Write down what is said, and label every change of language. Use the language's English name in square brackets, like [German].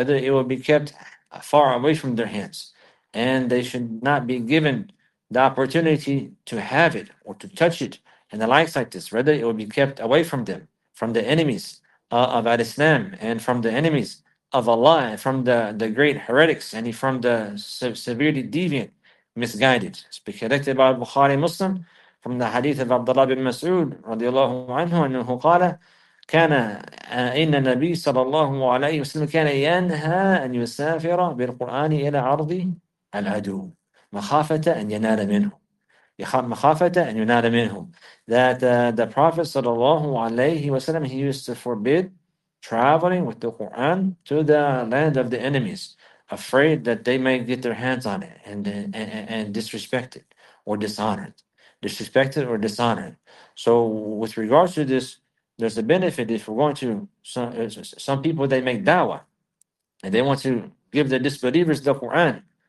[English] Rather, it will be kept far away from their hands, and they should not be given the opportunity to have it or to touch it and the likes like this. Rather, it will be kept away from them, from the enemies of al-Islam, and from the enemies of Allah, and from the great heretics, and from the severely deviant, misguided. It's been collected by Bukhari Muslim from the hadith of Abdullah bin Mas'ud radiallahu anhu, and who qala, [Arabic] كَانَ إِنَّ النَّبِيِّ صَلَى اللَّهُ عَلَيْهِ وَسَلَّمَ كَانَ يَنْهَى أَنْ يُسَافِرَ بِالْقُرْآنِ إِلَى عَرْضِ الْعَدُوِّ مَخَافَةَ أَنْ يَنَالَ مِنْهُ مَخَافَةَ أَنْ يَنَالَ مِنْهُ. [English] That the Prophet صلى الله عليه وسلم, he used to forbid traveling with the Quran to the land of the enemies, afraid that they may get their hands on it and disrespect it or dishonor it. Disrespected or dishonored. So with regards to this, there's a benefit if we're going to some people, they make da'wah and they want to give the disbelievers the Quran.